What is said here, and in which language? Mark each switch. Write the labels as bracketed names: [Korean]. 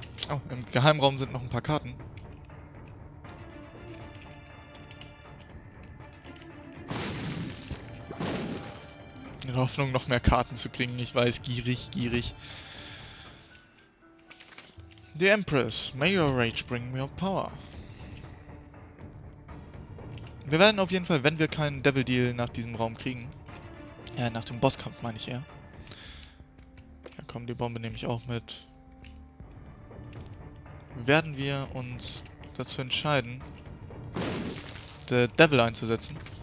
[German] Oh, im Geheimraum sind noch ein paar Karten. In der Hoffnung, noch mehr Karten zu kriegen. Ich weiß, gierig, gierig. [English] The Empress, may your rage bring me your power. [German] Wir werden auf jeden Fall, wenn wir keinen Devil Deal nach diesem Raum kriegen, nach dem Bosskampf meine ich eher. Ja komm, die Bombe nehme ich auch mit. Werden wir uns dazu entscheiden, The Devil einzusetzen?